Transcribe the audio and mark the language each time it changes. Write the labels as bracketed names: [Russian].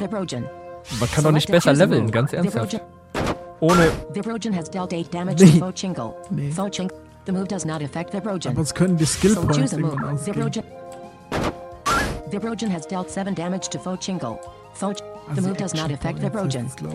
[German] Man kann doch nicht besser leveln, ganz ernsthaft. Ohne. [English] Vibrogen has dealt 8 damage to Fo Chingo. Fo Chingo. The move does not affect Vibrogen. [German] Aber uns können die Skill Points ausgehen. [English] Vibrogen has dealt 7 damage to Fo Chingo. Fo Ch- also the move does not affect Vibrogen.